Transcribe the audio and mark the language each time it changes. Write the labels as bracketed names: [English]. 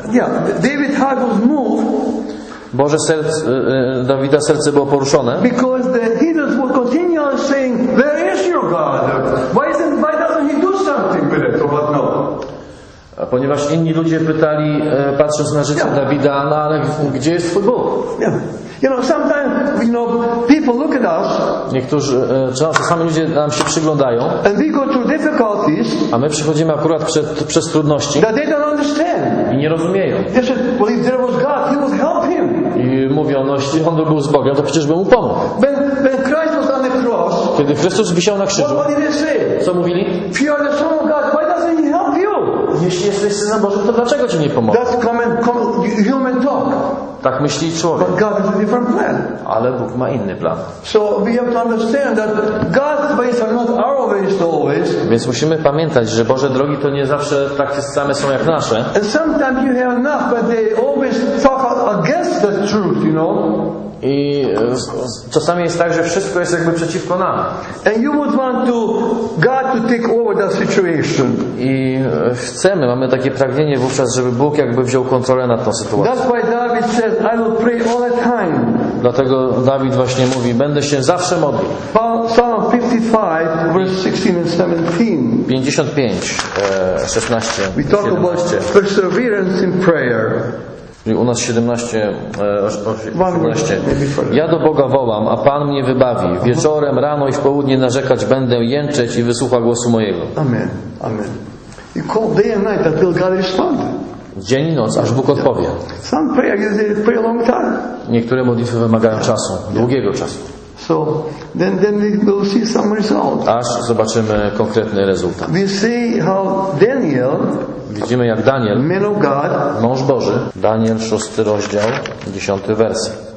[English] Yeah, David heart was moved. [Polish] Boże serce, Dawida serce było poruszone. [English] Because the heathens were continually saying, where is your God? Why doesn't he do something with it? But no. [Polish] Ponieważ inni ludzie pytali, patrząc na życie Dawida, no ale gdzie jest twój Bóg? [English] Yeah. You know, sometimes, you know, people look at us. [Polish] Niektórzy, czasami ludzie nam się przyglądają. [English] And we go through difficulties. [Polish] A my przechodzimy akurat przez trudności. [English] That they don't understand. [Polish] I nie rozumieją. [English] They said, well, if there was God, he would help him. [Polish] I mówią, no jeśli on był z Bogiem, to przecież by mu pomógł. [English] When Christ was on the cross. [Polish] Kiedy Chrystus wisiał na krzyżu. [English] What did they say? [Polish] Co mówili? [English] If you are the Son of God, why doesn't he help you? [Polish] Jeśli jesteś Synem Bożym, to dlaczego Ci nie pomoże? [English] That's human talk. [Polish] Tak myśli człowiek. [English] But God has a different plan. [Polish] Ale Bóg ma inny plan. [English] So we have to understand that God's ways are not our ways always. [Polish] Więc musimy pamiętać, że Boże drogi to nie zawsze tak same są jak nasze. [English] And sometimes you have enough, but they always talk against the truth, you know? [Polish] I czasami jest tak, że wszystko jest jakby przeciwko nam. [English] And you would want to God to take over that situation. [Polish] I chcemy, mamy takie pragnienie wówczas, żeby Bóg jakby wziął kontrolę nad tą sytuacją. [English] That's why David says, I will pray all the time. [Polish] Dlatego Dawid właśnie mówi, będę się zawsze modlił. [English] Psalm 55, verse 16 and 17. 55, 16. We talk about perseverance in prayer. [Polish] Czyli u nas 17, 18. Ja do Boga wołam, a Pan mnie wybawi. Wieczorem, rano i w południe narzekać będę, jęczeć i wysłucha głosu mojego. [English] Amen. Amen. You call day and night until God responds. [Polish] Dzień i noc, aż Bóg odpowie. [English] Some prayers pray a long time. [Polish] Niektóre modlitwy wymagają czasu, długiego czasu. [English] So then we will see some result. [Polish] Aż zobaczymy konkretny rezultat. [English] We see how Daniel, [Polish] widzimy jak Daniel, [English] man of God, [Polish] mąż Boży, Daniel 6 rozdział, 10 wers.